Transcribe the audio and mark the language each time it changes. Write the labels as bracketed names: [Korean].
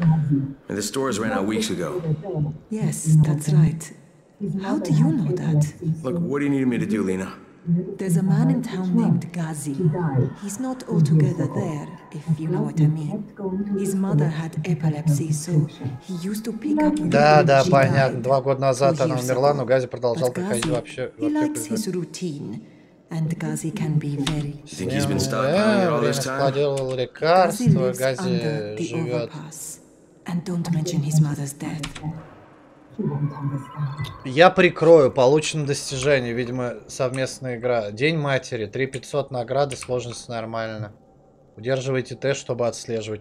[English] And the stores ran out weeks ago. Yes, that's right. How do you know that? Look, what do you need me to do, Lena? There's a man in town named Ghazi. He's not altogether there, if you know what I mean. His mother had epilepsy, so he used to pick up... [Russian] Да, понятно. Два года назад она умерла, но Ghazi продолжал приходить вообще... [English] He likes his routine, and Ghazi can be very... You think he's been stockpiling all this time? [Russian] Складировал лекарства, Ghazi живет... [English] And don't mention his mother's death. [Russian] Я прикрою, получено достижение, видимо, совместная игра. День матери, 3500 награды, сложность нормально. Удерживайте Т, чтобы отслеживать.